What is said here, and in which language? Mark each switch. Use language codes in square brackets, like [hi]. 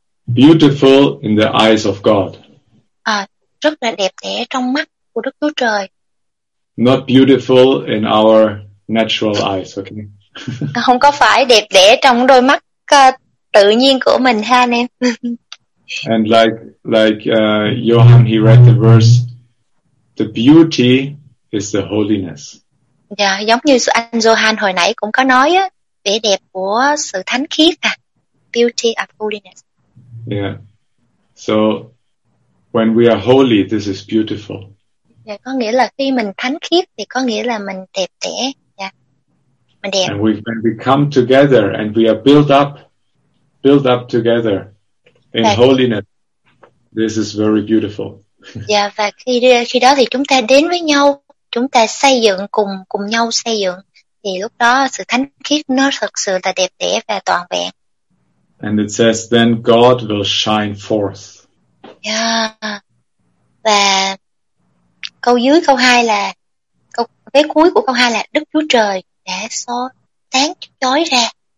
[en] Beautiful in the eyes of God. [vi] Rất là đẹp đẽ trong mắt của Đức Chúa Trời. [en] Not beautiful in our natural eyes, okay? [vi] Không có phải đẹp đẽ trong đôi mắt tự nhiên của mình ha anh em. [en] And like Johann, he read the verse, the beauty is the holiness. [vi] Yeah, giống như anh Johann hồi nãy cũng có nói á, vẻ đẹp của sự thánh khiết à, [en] beauty of holiness. Yeah, so when we are holy, this is beautiful. [vi] Yeah, có nghĩa là khi mình thánh khiết thì có nghĩa là mình đẹp đẽ, yeah, mình đẹp. [en] And when we come together and we are built up together in holiness, this is very beautiful. [vi] Yeah, và khi đó thì chúng ta đến với nhau, chúng ta xây dựng cùng nhau xây dựng, thì lúc đó sự thánh khiết nó thực sự là đẹp đẽ và toàn vẹn. [en] And it says, then God will shine forth. [vi] Yeah, và câu dưới câu hai là câu vế cuối của câu hai là Đức Chúa Trời đã sáng chói ra.